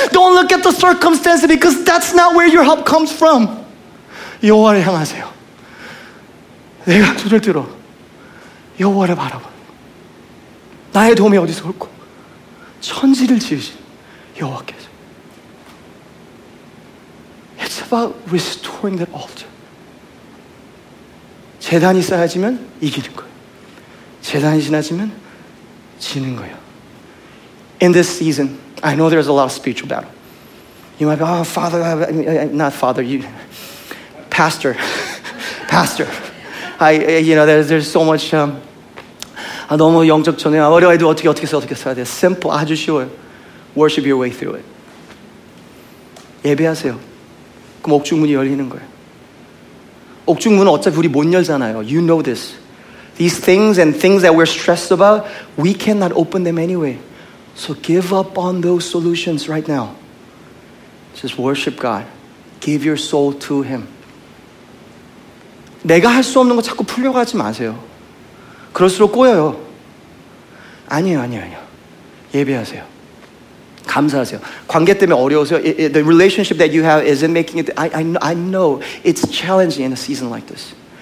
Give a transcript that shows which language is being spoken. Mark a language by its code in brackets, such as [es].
[en] Don't look at the circumstances because that's not where your help comes from. [ko] 여호와를 향하세요. 내가 눈을 들어 여호와를 바라봐. 나의 도움이 어디서 올까? 천지를 지으신 여호와께서. [en] It's about restoring that altar. [ko] 제단이 쌓여지면 이기는 거예요. 제단이 지나지면 지는 거예요. [en] In this season, I know there's a lot of spiritual battle. You might be, oh, Father, not Father, you, Pastor, Pastor. There's so much. [ko] 너무 영적 전쟁. 어려워도 어떻게 써야 돼? [en] Simple, [ko] 아주 쉬워요. [en] Worship your way through it. [ko] 예배하세요. 그럼 옥중문이 열리는 거예요. 옥중문은 어차피 우리 못 열잖아요. [en] You know this. These things and things that we're stressed about, we cannot open them anyway. So give up on those solutions right now. Just worship God. Give your soul to Him. [ko] 내가 할 수 없는 거 자꾸 풀려고 하지 마세요. 그럴수록 꼬여요. 아니에요. 예배하세요. 감사하세요. 관계 때문에 어려우세요. [en] The relationship that you have isn't making it. I know it's challenging in a season like this.